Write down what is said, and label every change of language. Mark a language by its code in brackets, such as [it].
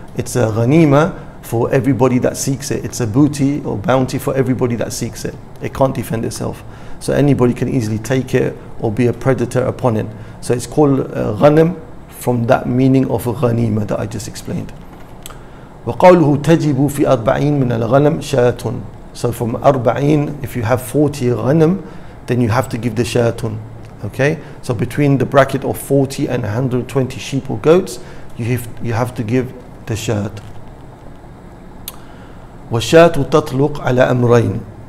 [en] It's a ghanima for everybody that seeks it. It's a booty or bounty for everybody that seeks it. It can't defend itself, so anybody can easily take it or be a predator upon it. So it's called ghanim, from that meaning of ghanima that I just explained. [ar] وقوله تجب في أربعين من الغنم شاة. [en] So from 40, if you have 40 ghanim, then you have to give the shaatun. Okay, so between the bracket of 40 and 120 sheep or goats, you have to give the shaat. [ar] والشاة تطلق على أمرين.